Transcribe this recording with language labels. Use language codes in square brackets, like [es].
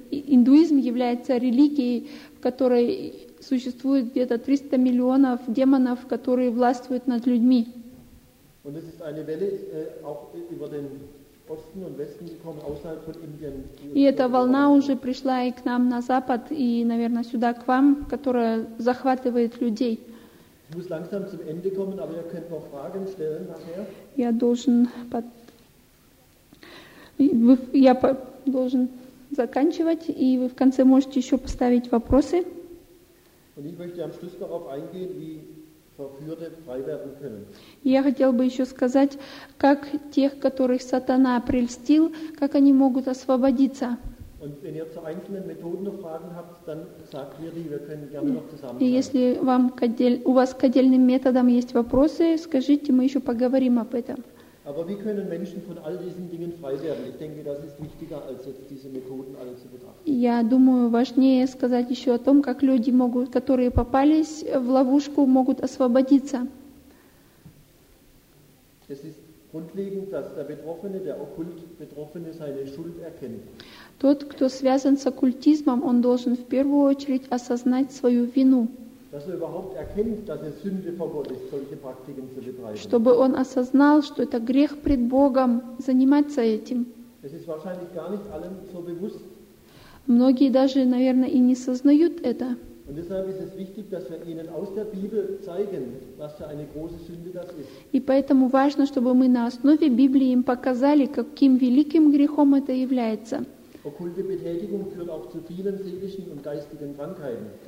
[ru] Индуизм является религией, в которой существует где-то 300 миллионов демонов, которые властвуют над людьми. [de] Und es ist eine Welle auch über den Osten und Westen gekommen, außerhalb von Indien. [ru] И эта волна уже пришла и к нам на запад, и, наверное, сюда к вам, которая захватывает людей. [de] Ich muss langsam zum Ende kommen, aber ihr könnt noch Fragen stellen nachher. [ru] Я должен заканчивать, и вы в конце можете еще поставить вопросы. [de] Und ich möchte am Schluss darauf eingehen, wie Verführte frei werden können. [ru] Я хотел бы еще сказать, как тех, которых сатана прельстил, как они могут освободиться. [de] Und wenn ihr zu einzelnen Methoden noch Fragen habt, dann sagt mir die, wir können gerne noch zusammen. [ru] И если вам у вас к отдельным методам есть вопросы, скажите, мы еще поговорим об этом. [de] Aber wie können Menschen von all diesen Dingen frei werden? Ich denke, das ist wichtiger, als jetzt diese Methoden alle zu betrachten. [ru] Я думаю, важнее сказать еще о том, как люди могут, которые попались в ловушку, могут освободиться. [de] Es ist grundlegend, dass der Betroffene, der Okkult Betroffene, seine Schuld erkennt. [ru] Тот, кто связан с оккультизмом, он должен в первую очередь осознать свою вину. [de] Dass er überhaupt erkennt, dass es Sünde vor Gott ist, solche Praktiken zu betreiben. [ru] Чтобы он осознал, что это грех пред Богом заниматься этим. [de] Es ist wahrscheinlich gar nicht allen so bewusst. [ru] Многие даже, наверное, и не сознают это. [de] Und deshalb ist es wichtig, dass wir ihnen aus der Bibel zeigen, was für eine große Sünde das ist. [ru] И поэтому важно, чтобы мы на основе Библии им показали, каким великим грехом это является. [de] Okkulte Betätigung führt auch zu vielen seelischen und geistigen Krankheiten.